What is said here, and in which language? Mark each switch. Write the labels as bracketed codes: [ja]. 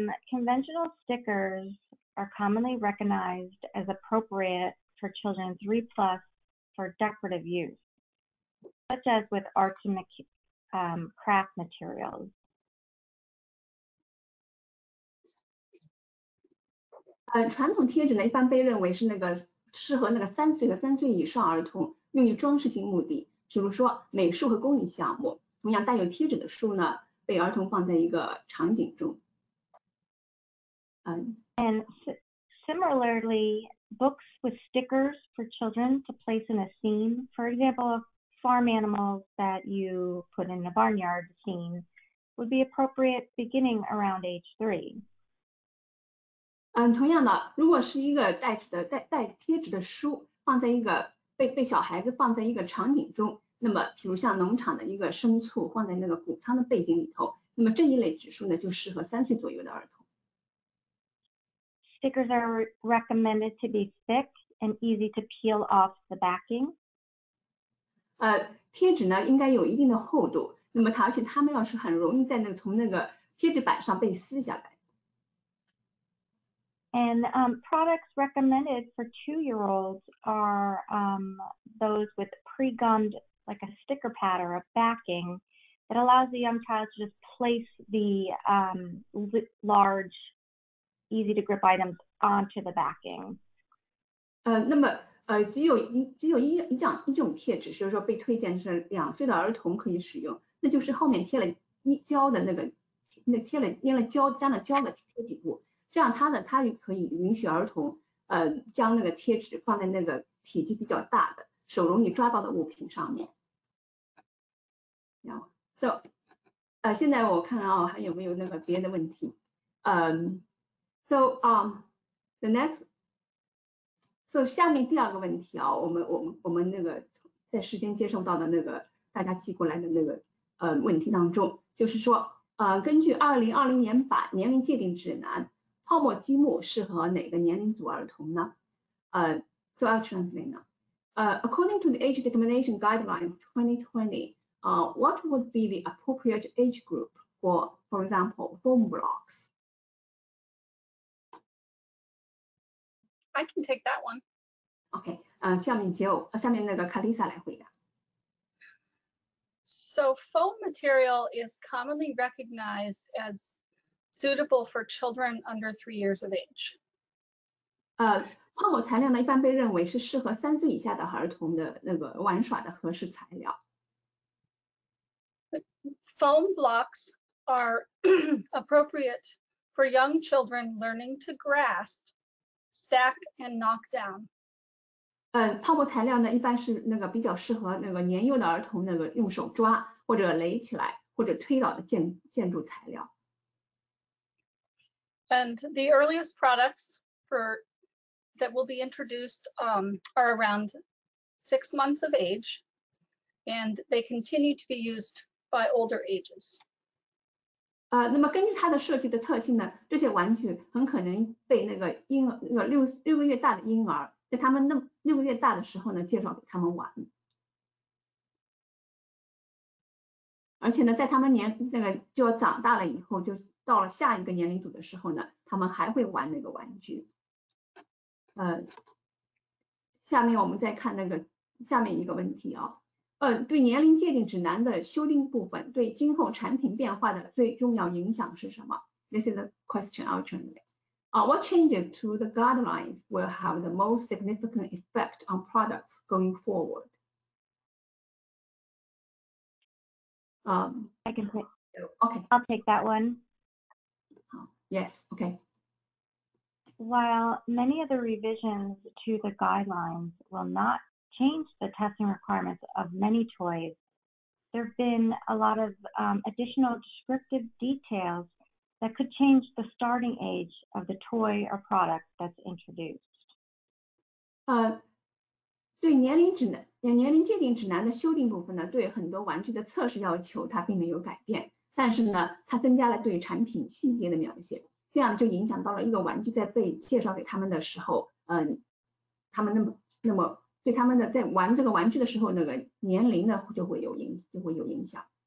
[en] conventional stickers are commonly recognized as appropriate for children 3+ for decorative use, such as with arts and craft materials. [zh] And 传统贴纸呢，一般被认为是那个适合那个3岁和3岁以上儿童用于装饰性目的，比如说美术和工艺项目。同样带有贴纸的书呢，被儿童放在一个场景中。 [en] And similarly, books with stickers for children to place in a scene, for example, farm animals that you put in a barnyard scene, would be appropriate beginning around age 3. [zh] 同样的，如果是一个带贴纸的书放在一个被小孩子放在一个场景中，那么比如像农场的一个牲畜放在那个谷仓的背景里头，那么这一类纸书呢就适合3岁左右的儿童。 [en] Stickers are recommended to be thick and easy to peel off the backing. [zh] 贴纸呢应该有一定的厚度，那么它而且它们要是很容易在那个从那个贴纸板上被撕下来。 [en] And products recommended for 2-year-olds are those with pre-gummed, like a sticker pad or a backing that allows the young child to just place the large. Easy to grip items onto the backing. [zh] 那么只有一种贴纸，所以说被推荐是2岁的儿童可以使用，那就是后面贴了胶的那贴了粘了胶粘了胶的贴纸布，这样它就可以允许儿童将那个贴纸放在那个体积比较大的手容易抓到的物品上面。 So, 现在我看啊还有没有那个别的问题，So 下面第二个问题啊，我们那个在事先接受到的那个大家寄过来的那个问题当中，就是说根据2020年版年龄界定指南，泡沫积木适合哪个年龄组儿童呢？ [en] So I'll translate now. According to the Age Determination Guidelines 2020, what would be the appropriate age group for example, foam blocks? I can take that one. [zh] Okay, 下面那个 Kalisa 来回答。 [en] So foam material is commonly recognized as suitable for children under 3 years of age. [zh] 泡沫材料呢，一般被认为是适合三岁以下的儿童的那个玩耍的合适材料。 [en] Foam blocks are appropriate for young children learning to grasp, stack, and knock down. [zh] 泡沫材料呢，一般是那个比较适合那个年幼的儿童那个用手抓或者垒起来或者推倒的建筑材料。 [en] And the earliest products that will be introduced are around 6 months of age, and they continue to be used by older ages. [zh] 那么根据它的设计的特性呢，这些玩具很可能被那个婴儿，那个六个月大的婴儿，在他们六个月大的时候呢，介绍给他们玩。而且呢，在他们年那个就要长大了以后，就到了下一个年龄组的时候呢，他们还会玩那个玩具。下面我们再看那个下面一个问题啊。对年龄界定指南的修订部分对今后产品变化的最重要影响是什么？ [en] This is a question actually. What changes to the guidelines will have the most significant effect on products going forward? I can take. Okay. I'll take that one. Yes. Okay. While many of the revisions to the guidelines will not change the testing requirements of many toys, there have been a lot of additional descriptive details that could change the starting age of the toy or product that's introduced. [zh] 对年龄界定指南的修订部分呢，对很多玩具的测试要求它并没有改变，但是呢，它增加了对产品细节的描写，这样就影响到了一个玩具在被介绍给他们的时候，他们那么对他们的在玩这个玩具的时候，那个年龄呢就会有影响。